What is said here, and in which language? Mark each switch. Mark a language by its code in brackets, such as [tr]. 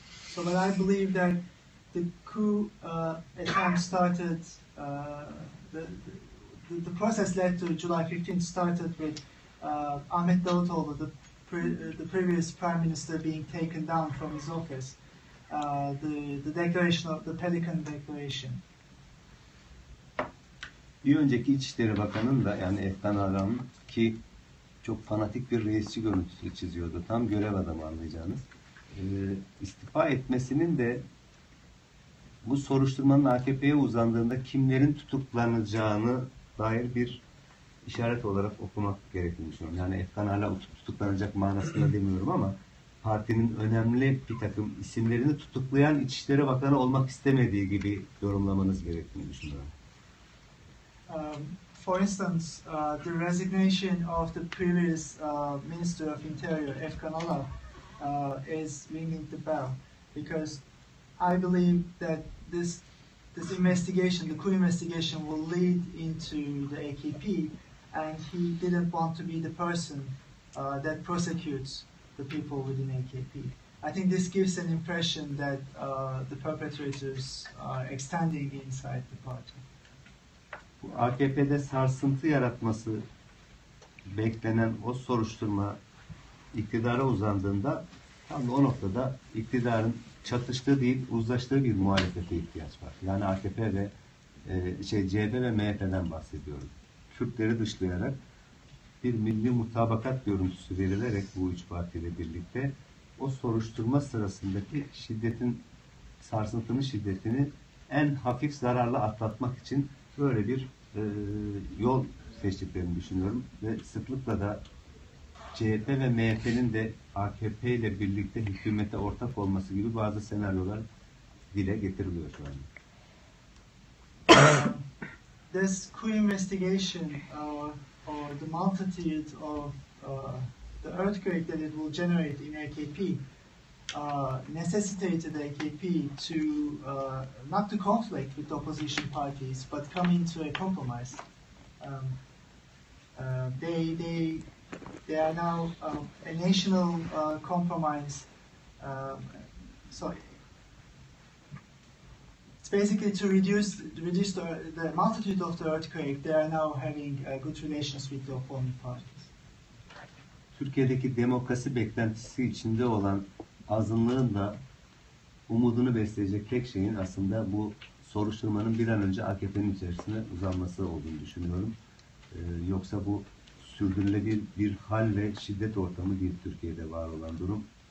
[en] So, but I believe that the coup attempt started, the process led to July 15th started with Ahmet Davutoğlu, the previous prime minister, being taken down from his office, the declaration of the Pelican Declaration. [tr] Bir önceki İçişleri Bakanı'nın da, yani Efkan Aram'ın, ki çok fanatik bir reisçi görüntüsü çiziyordu, tam görev adamı anlayacağınız, istifa etmesinin de bu soruşturmanın AKP'ye uzandığında kimlerin tutuklanacağını dair bir işaret olarak okumak gerektiğini düşünüyorum. Yani Efkan hala tutuklanacak manasında demiyorum ama partinin önemli bir takım isimlerini tutuklayan İçişleri Bakanı olmak istemediği gibi yorumlamanız gerektiğini düşünüyorum. [en] For instance, the resignation of the previous Minister of Interior, Efkan Ala, is ringing the bell, because I believe that this investigation, the coup investigation, will lead into the AKP, and he didn't want to be the person that prosecutes the people within AKP. I think this gives an impression that the perpetrators are extending inside the party. [tr] Bu AKP'de sarsıntı yaratması beklenen o soruşturma iktidara uzandığında tam da o noktada iktidarın çatıştığı değil uzlaştığı bir muhalefete ihtiyaç var. Yani AKP ve CHP ve MHP'den bahsediyorum. Kürtleri dışlayarak bir milli mutabakat görüntüsü verilerek bu üç partiyle birlikte o soruşturma sırasındaki sarsıntının şiddetini en hafif zararla atlatmak için böyle bir yol seçtiklerini düşünüyorum ve sıklıkla da CHP ve MHP'nin de AKP ile birlikte hükümete ortak olması gibi bazı senaryolar dile getiriliyor şu anda. [en] this coup investigation or the multitude of the earthquake that it will generate in AKP necessitated AKP to not to conflict with the opposition parties, but come into a compromise. They are now a national compromise. It's basically to reduce the multitude of the earthquake. They are now having good relations with the opponent parties. [tr] Türkiye'deki demokrasi beklentisi içinde olan azınlığın da umudunu besleyecek tek şeyin aslında bu soruşturmanın bir an önce AKP'nin içerisine uzanması olduğunu düşünüyorum. Yoksa bu sürdürülebilir bir hal ve şiddet ortamı değil Türkiye'de var olan durum.